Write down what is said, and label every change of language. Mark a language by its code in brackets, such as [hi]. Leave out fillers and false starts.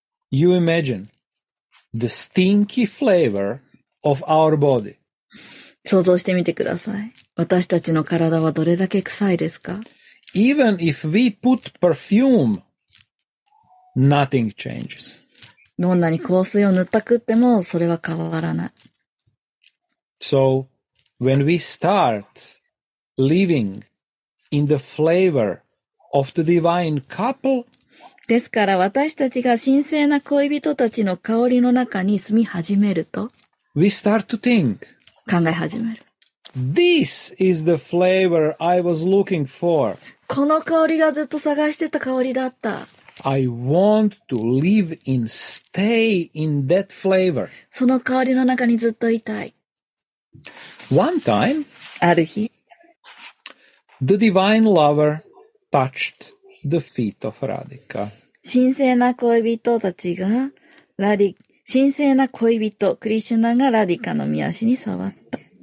[en] You imagine the stinky flavor of our body. [ja] 想像してみてください。私たちの体はどれだけ臭いですか? [en] Even if we put perfume, nothing changes. [ja] どんなに香水を塗ったくってもそれは変わらない。 [en] So, when we start living in the flavor of the divine couple, [ja] ですから私たちが神聖な恋人たちの香りの中に住み始めると、 [en] we start to think, [ja] 考え始める。 [en] This is the flavor I was looking for. [ja] この香りがずっと探してた香りだった。 [en] I want to live in, stay in that flavor. [ja] その香りの中にずっといたい。 [en] One time, [ja] ある日、 [en] the divine lover touched the feet of Radhika. [ja] 神聖な恋人たちが、神聖な恋人、クリシュナがラディカの御足に触った。